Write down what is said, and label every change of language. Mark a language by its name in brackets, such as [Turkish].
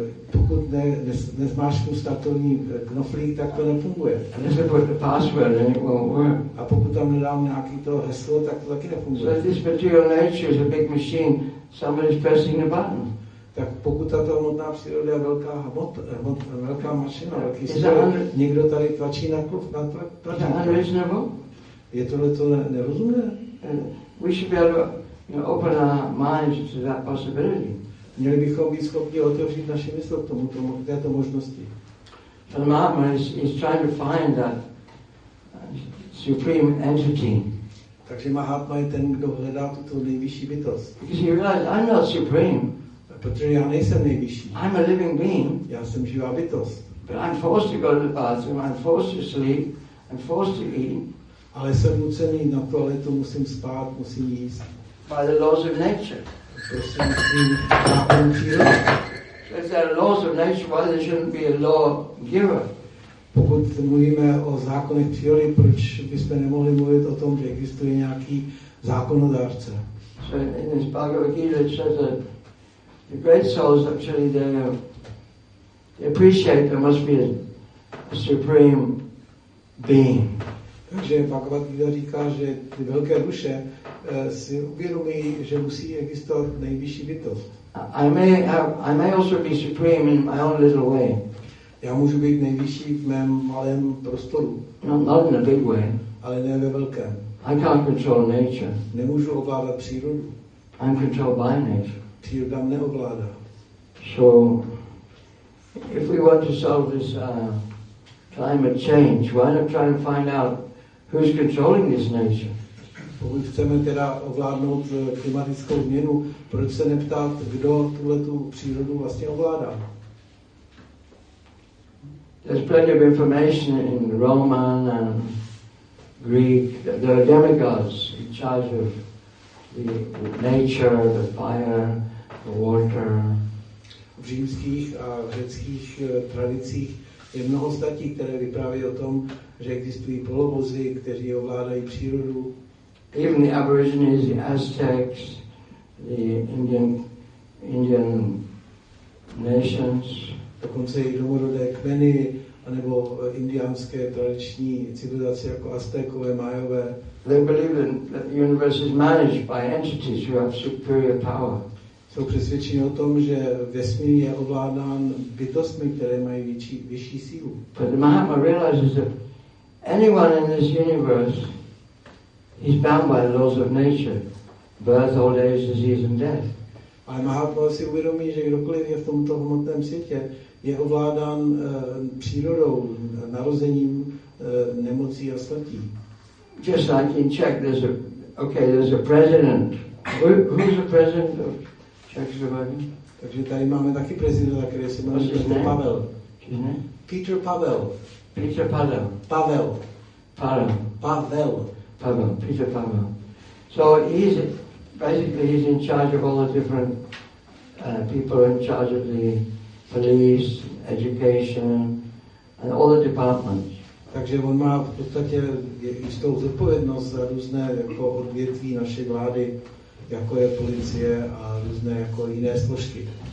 [Czech] Pokud nezmášknu startovní knoflík, tak to nefunguje. [English] Unless I put the password, then it won't work. [Czech] A pokud tam nedám nějaký to heslo, tak to taky nefunguje. [English] So this material nature is a big machine, somebody's pressing a button. [Czech] Tak pokud tato hmotná příroda je velká velká mašina, velký stroj, někdo tady tlačí na tlačítko. Je tohle to nerozumné? [English] We should be able to open our minds to that possibility. [Czech] Měli bychom být schopni otevřít naše mysl k tomuto, k této možnosti. [English] The Mahatma is trying to find that supreme entity. [Czech] Takže Mahatma je ten, kdo hledá tuto nejvyšší bytost. [English] Because he realized, I'm not supreme. [Czech] Protože já nejsem nejvyšší. [English] I'm a living being. [Czech] Já jsem živá bytost. [English] But I'm forced to go to the bathroom, I'm forced to sleep, I'm forced to eat. [Czech] Ale jsem nucený na toaletu, musím spát, musím jíst. [English] By the laws of nature. [Czech] Prosím, tím zákonem přírody. [English] So if there are laws of nature, why there shouldn't be a law giver? [Czech] Pokud mluvíme o zákonech přírody, proč bychom nemohli mluvit o tom, že existuje nějaký zákonodárce? [English] So in this Bhagavad Gita it says that the great souls actually they appreciate there must be a supreme being. [Czech] Takže Bhagavad Gita říká, že ty velké duše si uvědomí, že musí existovat nejvyšší bytost. [English] I may also be supreme in my own little way. [Czech] Já můžu být nejvyšší v mém malém prostoru. [English] Not in a big way. [Czech] Ale ne ve velkém. [English] I can't control nature. [Czech] Nemůžu ovládat přírodu. [English] I'm controlled by nature. [Czech] Příroda mne ovládá. [English] So, if we want to solve this climate change, why not try and find out who's controlling this nation? [Czech] Pokud chceme teda ovládnout klimatickou změnu, proč se neptat, kdo tuhletu přírodu vlastně ovládá? [English] There's plenty of information in Roman and Greek. There are demigods in charge of the nature, the fire, the water. [Czech] V římských a řeckých tradicích je mnoho statí, které vypráví o tom, že existují polobozy, kteří ovládají přírodu. [English] Even the Aborigines, the Aztecs, the Indian nations. [Czech] Dokonce i domorodé kmeny, anebo indiánské tradiční civilizace jako Aztékové, Majové. [English] They believe that the universe is managed by entities who have superior power. [Czech] Jsou přesvědčeni o tom, že vesmír je ovládán bytostmi, které mají vyšší sílu. [English] But the Mahatma realizes that anyone in this universe is bound by the laws of nature, birth, old age, disease and death. [Czech] A Mahatma si uvědomí, že kdokoliv je v tomto hmotném světě, je ovládán přírodou, narozením, nemocí a smrtí. [English] Just like in Czech, there's a president. Who's the president of Czechoslovakia? [Czech] Takže tady máme taky prezidenta, který se jmenuje Pavel. Peter Pavel. Peter Pavel. Pavel. Pavel. Pavel. Pavel. Peter Pavel. [English] So he's basically he's in charge of all the different people in charge of the police, education, and all the departments. [Czech] Takže on má v podstatě jistou zodpovědnost za různé jako odvětví naší vlády, jako je policie a různé jako jiné složky.